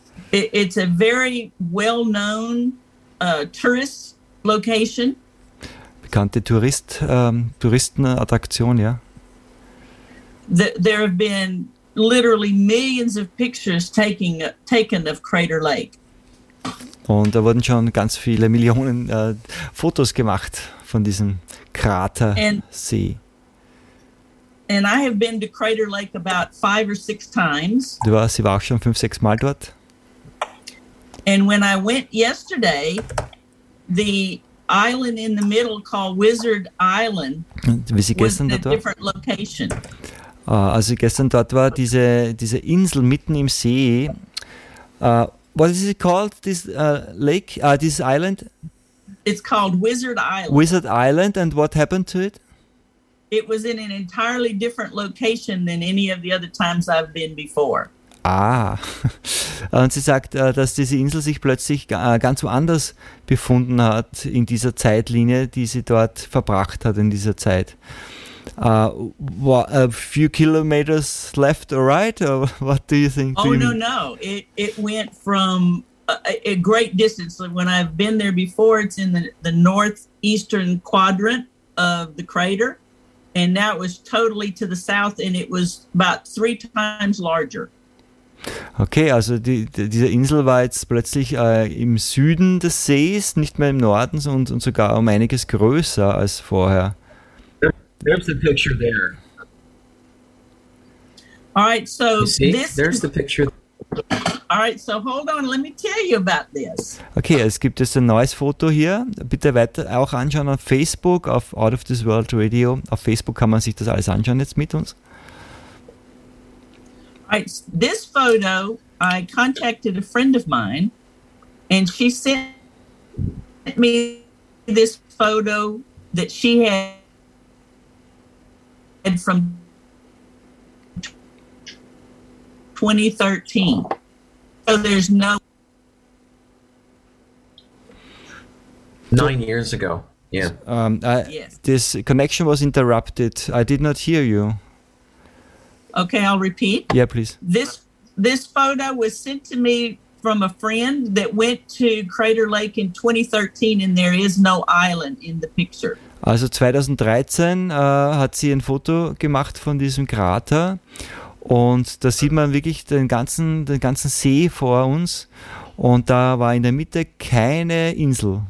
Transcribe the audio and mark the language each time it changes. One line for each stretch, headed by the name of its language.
English: It's a very well-known tourist location.
German: Bekannte Touristenattraktion, ja.
English: There have been literally millions of pictures taken of Crater Lake.
German: Und da wurden schon ganz viele Millionen Fotos gemacht von diesem Kratersee.
English: And I have been to Crater Lake about 5 or 6 times.
German: Du warst, sie war auch schon 5, 6 Mal dort.
English: And when I went yesterday, the island in the middle called Wizard Island was in a different location.
German: Als ich gestern dort war, diese Insel mitten im See,
English: what is it called, this lake, this island? It's called Wizard Island. Wizard Island, and what happened to it? It was in an entirely different location than any of the other times I've been before.
German: Ah, und sie sagt, dass diese Insel sich plötzlich ganz woanders befunden hat in dieser Zeitlinie, die sie dort verbracht hat in dieser Zeit.
English: A few kilometers left or right, or what do you think? No. It went from a great distance. When I've been there before, it's in the northeastern quadrant of the crater, and that was totally to the south, and it was about 3 times larger.
German: Okay, also diese Insel war jetzt plötzlich im Süden des Sees, nicht mehr im Norden, und sogar um einiges größer als vorher.
English: There's the picture there. All right, so there's the picture. All right, so hold on, let me tell you about this.
German: Okay, es gibt jetzt ein neues Foto hier. Bitte weiter auch anschauen auf Facebook, auf Out of This World Radio. Auf Facebook kann man sich das alles anschauen jetzt mit uns.
English: Right, this photo, I contacted a friend of mine, and she sent me this photo that she had from 2013. So there's no 9 years ago. Yeah. Yes. This connection was interrupted. I did not hear you. Okay, I'll repeat. Yeah, please. This photo was sent to me from a friend that went to Crater Lake in 2013, and there is no island in the picture.
German: Also 2013 hat sie ein Foto gemacht von diesem Krater, und da sieht man wirklich den ganzen See vor uns, und da war in der Mitte keine Insel.